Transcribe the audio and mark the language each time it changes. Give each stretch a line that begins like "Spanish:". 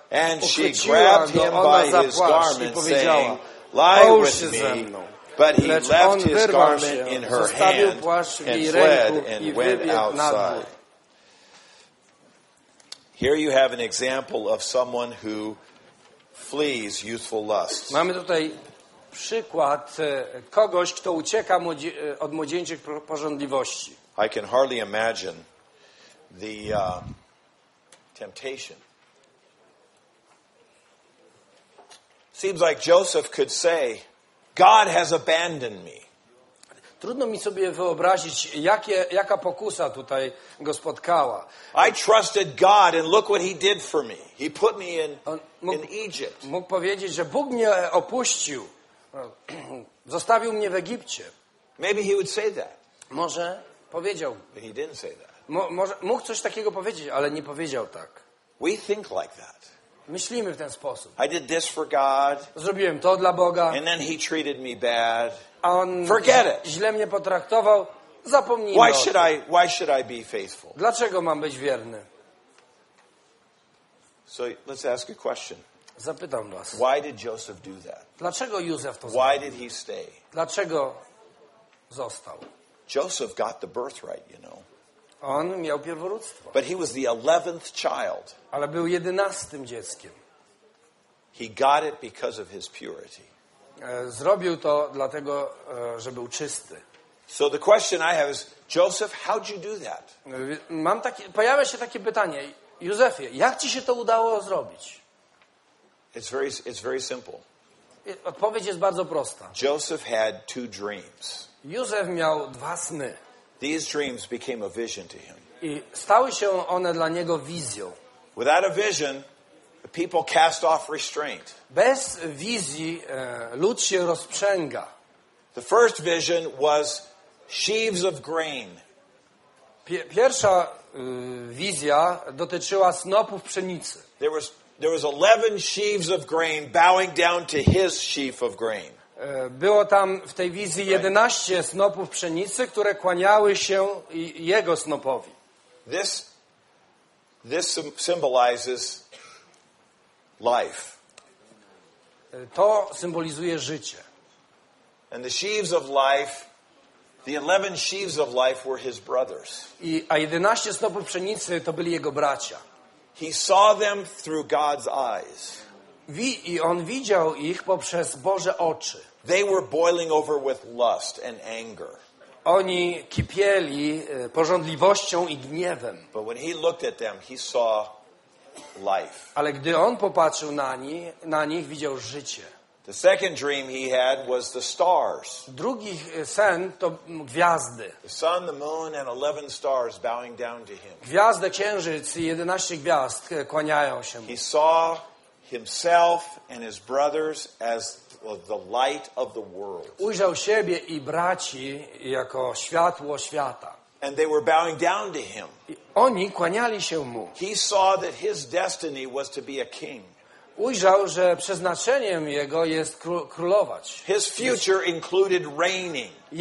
English: and she grabbed him by his garment, saying, Lie with me. But he left his garment in her hand and fled and went outside. Here you have an example of someone who flees youthful lusts.
Polish: Mamy tutaj przykład kogoś, kto ucieka od młodzieńczych pożądliwości.
English: I can hardly imagine the temptation. Seems like Joseph could say, God has abandoned me.
Polish: Trudno mi sobie wyobrazić, jaka pokusa tutaj go spotkała.
English: I trusted God and look what he did for me. He put me in Egypt.
Polish: Mógł powiedzieć, że Bóg mnie opuścił. Zostawił mnie w Egipcie.
English: Maybe he would say that.
Polish: Może powiedział.
English: But he didn't say that.
Polish: Mógł coś takiego powiedzieć, ale nie powiedział tak.
English: We think like that.
Polish: Myślimy w ten sposób.
English: I did this for God.
Polish: Zrobiłem to dla Boga.
English: And then he treated me bad.
Polish: A on
English: forget it.
Polish: Źle mnie potraktował. Zapomnij.
English: Why should I be faithful?
Polish: Dlaczego mam być wierny?
English: So let's ask a question.
Polish: Zapytam was.
English: Why did Joseph do that?
Polish: Dlaczego Józef to zrobił?
English: Why did he stay?
Polish: Dlaczego został?
English: Joseph got the birthright, you know.
Polish: On miał pierworództwo.
English: But he was the 11th child.
Polish: Ale był 11. dzieckiem.
English: He got it because of his purity.
Polish: Zrobił to dlatego, że był czysty.
English: So the question I have is, Joseph, how'd you do that?
Polish: Pojawia się takie pytanie, Józefie, jak ci się to udało zrobić?
English: It's very simple.
Polish: Odpowiedź jest bardzo prosta.
English: Joseph had two dreams.
Polish: Józef miał dwa sny.
English: These dreams became a vision to him.
Polish: I stały się one dla niego wizją.
English: Without a vision, the people cast off restraint.
Polish: Bez wizji lud się rozprzęga.
English: The first vision was sheaves of grain.
Polish: Pierwsza wizja dotyczyła snopów pszenicy.
English: There was 11 sheaves of grain bowing down to his sheaf of grain.
Polish: Było tam w tej wizji 11 snopów pszenicy, które kłaniały się jego snopowi.
English: This symbolizes life.
Polish: To symbolizuje życie.
English: And the sheaves of life, the 11 sheaves of life were his brothers.
Polish: A 11 snopów pszenicy to byli jego bracia.
English: He saw them through God's eyes.
Polish: I on widział ich poprzez Boże oczy.
English: They were boiling over with lust and anger.
Polish: Oni kipieli pożądliwością i gniewem.
English: But when he looked at them, he saw life.
Polish: Ale gdy on popatrzył na nich widział życie.
English: The second dream he had was the stars.
Polish: Drugi sen to gwiazdy.
English: The sun, the moon and 11 stars bowing down to him.
Polish: Gwiazdy, księżyc i 11 gwiazd kłaniają się mu.
English: He saw himself and his brothers as the light of the world.
Polish: Ujrzał siebie i braci jako światło świata.
English: And they were bowing down to him.
Polish: Oni kłaniali się mu.
English: He saw that his destiny was to be a king.
Polish: Ujrzał, że przeznaczeniem jego jest królować.
English: His future included reigning.